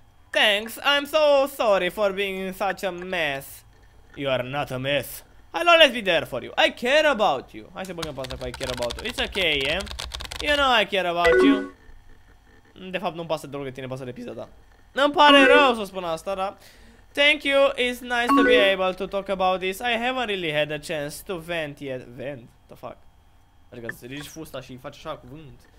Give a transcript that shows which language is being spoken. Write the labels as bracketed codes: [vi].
[en] Thanks, I'm so sorry for being in such a mess. You are not a mess. I'll always be there for you. I care about you. [ro] Hai să băgăm pasta cu [en] I care about you. It's okay, eh? You know I care about you. [ro] De fapt, nu-mi pasă deloc de tine, pasă de pizza, da. Îmi pare rău să spun asta, da. [en] Thank you, it's nice to be able to talk about this. I haven't really had a chance to vent yet. Vent? What the fuck? [ro] Adică să ridici fusta și faci așa cu vânt.